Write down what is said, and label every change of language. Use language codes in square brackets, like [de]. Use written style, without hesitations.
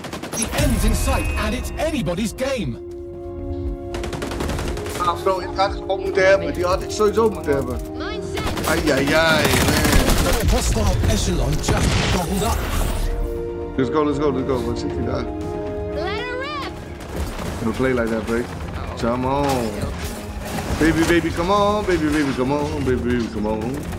[en] The end's in sight, and it's anybody's game. [nl] Afro, ik had het ook moeten hebben. Die had ik sowieso moeten hebben. Ai, ai, ai, man. [en] The hostile echelon just doubled up. Let's go, let's go, let's go. [nl] Wat zit hij daar? [en] No play like that, break. Come on. Baby, baby, come on. Baby, baby, come on. Baby, baby, come on.